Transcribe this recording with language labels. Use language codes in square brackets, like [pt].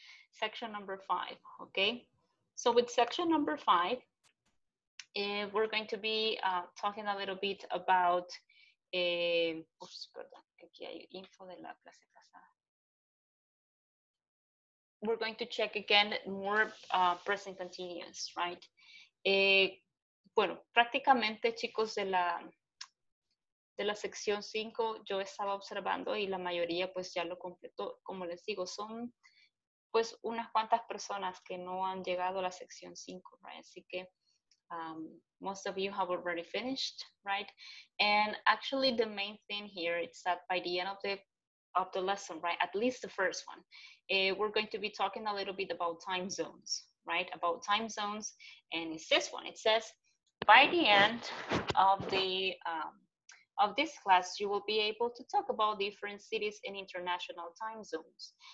[en] Section number 5, okay? So with section number 5, we're going to be talking a little bit about [es] aquí hay info de la clase pasada. [en] we're going to check again more present continuous, right? [es] Bueno, prácticamente, chicos, de la sección 5, yo estaba observando y la mayoría pues ya lo completó. Como les digo, son pues unas cuantas personas que no han llegado a la sección 5, right? Así que [en] most of you have already finished, right? And actually the main thing here is that by the end of the lesson, right, at least the first one, we're going to be talking a little bit about time zones, right? About time zones, and it's this one. It says, by the end of the of this class, you will be able to talk about different cities and international time zones.